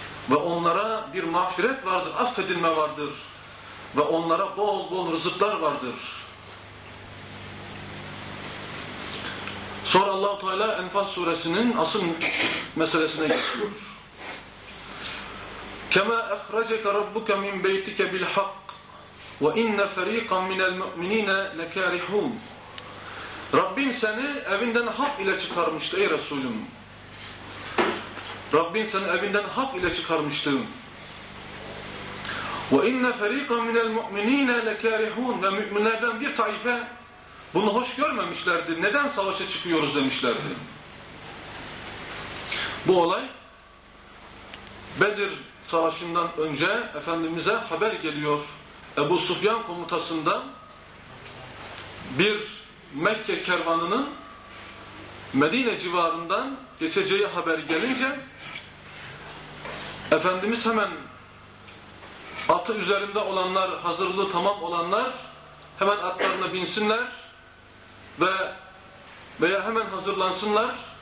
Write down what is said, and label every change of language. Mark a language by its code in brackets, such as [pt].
[tr] Ve onlara bir mağfiret vardır, affedilme vardır. Ve onlara bol bol rızıklar vardır. Sonra Allah-u Teala Enfal suresinin asıl meselesine geçiyor. [ar] كَمَا اَخْرَجَكَ رَبُّكَ مِنْ بَيْتِكَ بِالْحَقِّ وَاِنَّ فَر۪يقًا مِنَ الْمُؤْمِن۪ينَ لَكَارِحُونَ [tr] Rabbin seni evinden hak ile çıkarmıştı ey Resulüm. Rabbin seni evinden hak ile çıkarmıştı. [ar] وَاِنَّ فَر۪يقًا مِنَ الْمُؤْمِن۪ينَ لَكَارِحُونَ [tr] Ve müminlerden bir taife Bunu hoş görmemişlerdi. Neden savaşa çıkıyoruz demişlerdi. Bu olay Bedir Savaşı'ndan önce Efendimiz'e haber geliyor. Ebu Sufyan komutasından bir Mekke kervanının Medine civarından geçeceği haber gelince Efendimiz hemen atı üzerinde olanlar, hazırlığı tamam olanlar hemen atlarına binsinler ve veya hemen hazırlansınlar.